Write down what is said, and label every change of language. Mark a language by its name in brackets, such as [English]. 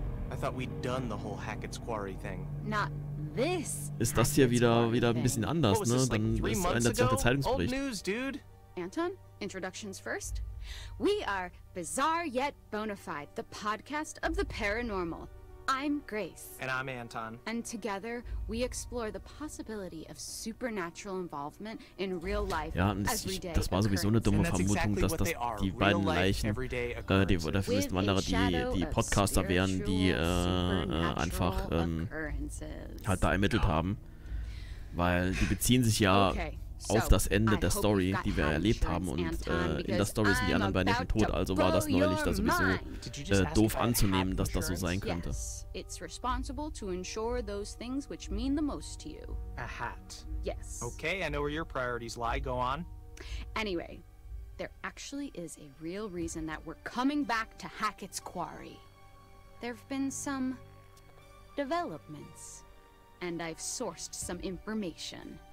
[English] I thought we'd done the whole Hackett's Quarry thing. Not this. [German] Ist das hier wieder ein bisschen anders, ne? Dann ist einer zu der Zeitungsbericht. [English] Old news, dude. Anton, introductions first. We are Bizarre Yet Bonafide, the podcast of the paranormal. I'm Grace. And I'm Anton. And together, we explore the possibility of supernatural involvement in real life. [German] Ja, und das war sowieso eine dumme Vermutung, dass das die beiden Leichen, die oder vielleicht andere, die Podcaster wären, die einfach halt da ermittelt haben. Weil die beziehen sich ja auf das Ende der Story, die wir erlebt haben, und in der Story sind die anderen beiden schon tot, also war das neulich da sowieso doof anzunehmen, dass das so sein könnte. [English] It's responsible to ensure those things which mean the most to you. A hat. Yes. Okay, I know where your priorities lie. Go on. Anyway, there actually is a real reason that we're coming back to Hackett's Quarry. There've been some developments, and I've sourced some information.